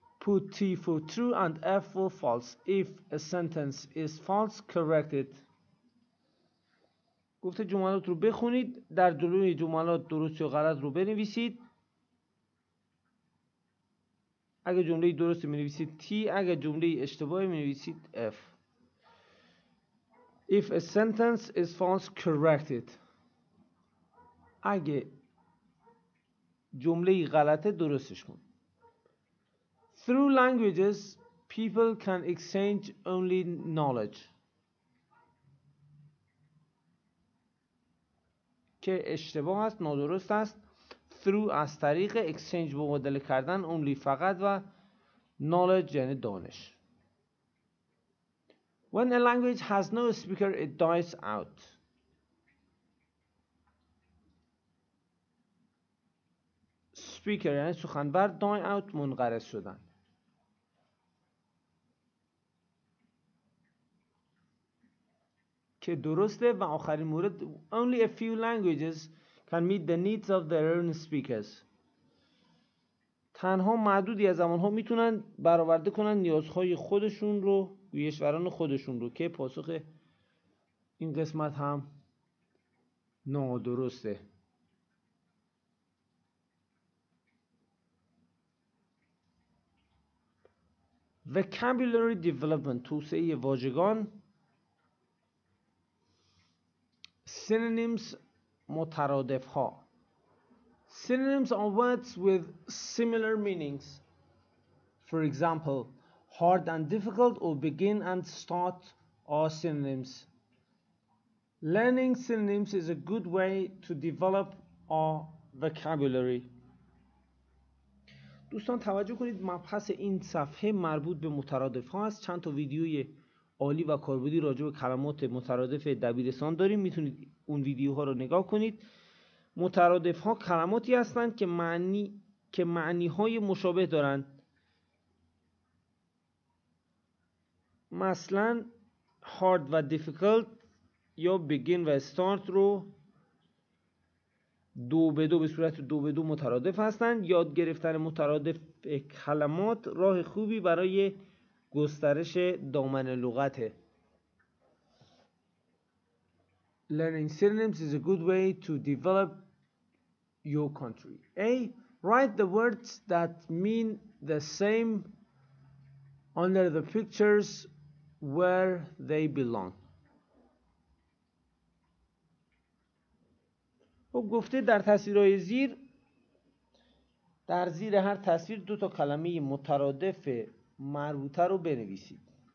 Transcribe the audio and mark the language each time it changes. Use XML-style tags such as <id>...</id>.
<en>Put T for true and F for false. If a sentence is false, correct it.</en> <fa>گفته جملات رو بخونید، در جلوی جملات درست یا غلط رو بنویسید. اگه جمله درست می‌نویسید T، اگه جمله اشتباهی می‌نویسید F.</fa> <en>If a sentence is false, correct it. اگه جمله غلطه درستش کن. Through languages people can exchange only knowledge.</en> <fa>که اشتباه است، نادرست است. Through از طریق، exchange مبادله کردن، only فقط، و knowledge یعنی دانش.</fa> <en>When a language has no speaker, it dies out.</en> <fa>Speaker یعنی سخنور، die out منقرض شدن. که درسته.</fa> <en>و آخرین مورد، only a few languages can meet the needs of their own speakers.</en> <fa>تنها معدودی از زبان‌ها میتونن برآورده کنن نیازهای خودشون رو، گویشوران خودشون رو، که پاسخ این قسمت هم نادرسته.</fa> <en>Vocabulary development، توسعه واژگان. Synonyms، مترادف ها. Synonyms are words with similar meanings. For example, hard and difficult or begin and start are synonyms. Learning synonyms is a good way to develop our vocabulary.</en> <fa>دوستان توجه کنید، مبحث این صفحه مربوط به مترادف ها است. چند تا ویدیوی عالی و کاربردی راجع به کلمات مترادف دبیرستان داریم، میتونید اون ویدیوها رو نگاه کنید. مترادف ها کلماتی هستند که معنی های مشابه دارند. مثلا hard و difficult یا begin و start رو دو به دو، به صورت دو به دو مترادف هستند. یاد گرفتن مترادف کلمات راه خوبی برای گسترش دامن لغته.</fa> <en>Learning synonyms is a good way to develop your country. A. Write the words that mean the same under the pictures where they belong.</en> <fa>خب گفته در تصویرهای زیر، در زیر هر تصویر دو تا کلمه مترادف مربوطه رو بنویسید.</fa>